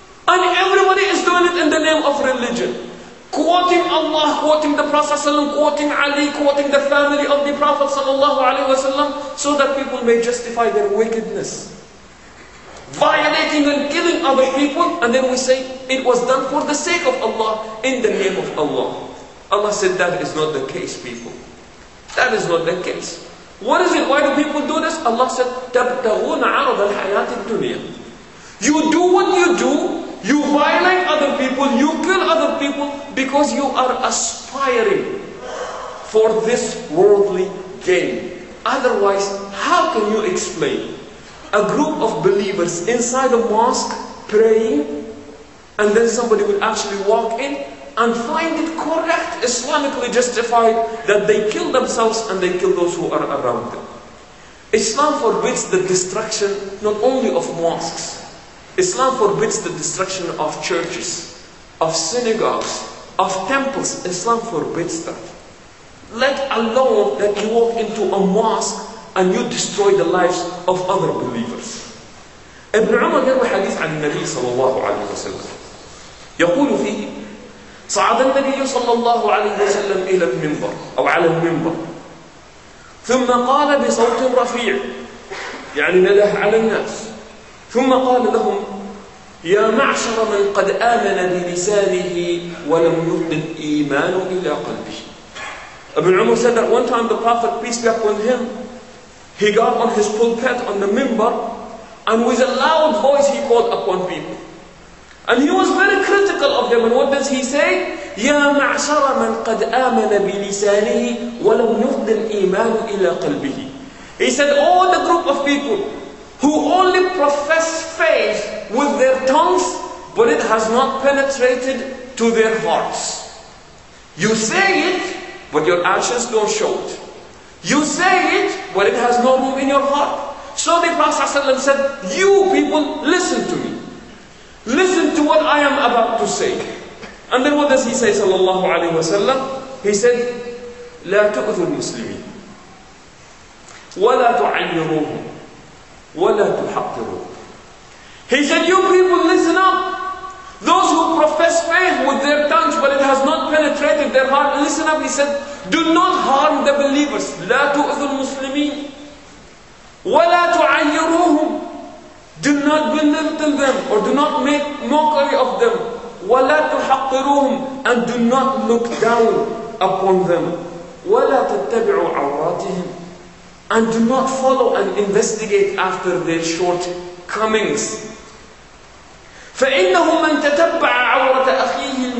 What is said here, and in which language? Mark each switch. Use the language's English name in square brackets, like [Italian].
[English] And everybody is doing it in the name of religion. Quoting Allah, quoting the Prophet ﷺ, quoting Ali, quoting the family of the Prophet ﷺ, so that people may justify their wickedness. Violating and killing other people, and then we say, it was done for the sake of Allah, in the name of Allah. Allah said, that is not the case, people. That is not the case. What is it? Why do people do this? Allah said, [Arabic] تَبْتَغُونَ عَرَضَ الْحَيَاةِ الدُّنْيَا. [English] You do what you do, you violate other people, you kill other people, because you are aspiring for this worldly gain. Otherwise, how can you explain a group of believers inside a mosque praying, and then somebody would actually walk in and find it correct, Islamically justified, that they kill themselves and they kill those who are around them? Islam forbids the destruction not only of mosques. Islam forbids the destruction of churches, of synagogues, of temples. Islam forbids that. Let alone that you walk into a mosque and you destroy the lives of other believers. [Arabic] Ibn Umar يروي حديث عن النبي صلى الله عليه وسلم. يقول فيه صعد النبي صلى الله عليه وسلم إلى المنبر أو على المنبر ثم قال بصوت رفيع يعني نده على الناس ثم قال لهم يا معشر من قد آمن بلسانه ولم يردد إيمان إلى قلبه. [English] Ibn Umar said that one time the Prophet, peace be upon him, he got on his pulpit on the minbar and with a loud voice he called upon people. And he was very critical of them. And what does he say? [Arabic] يا معشر من قد آمن بلسانه ولم يردد إيمان إلى قلبه. [English] He said, all the group of people who only profess faith with their tongues, but it has not penetrated to their hearts. You say it, but your actions don't show it. You say it, but it has no room in your heart. So the Prophet ﷺ said, you people, listen to me. Listen to what I am about to say. And then what does he say, sallallahu alaihi wasallam? He said, [Arabic] لا تؤذوا المسلمين ولا تعيروهم ولا تحقروا. [English] He said, you people, listen up. Those who profess faith with their tongues, but it has not penetrated their heart, listen up. He said, do not harm the believers. [Arabic] لا تؤذوا المسلمين ولا تعيروهم. [English] Do not belittle them or do not make mockery of them. [Arabic] ولا تحقروهم. [English] And do not look down upon them. [Arabic] ولا تتبعوا عوراتهم. [English] And do not follow and investigate after their shortcomings. [Arabic] فَإِنَّهُ مَنْ تَتَبَّعَ عَوْرَةَ أَخِيهِ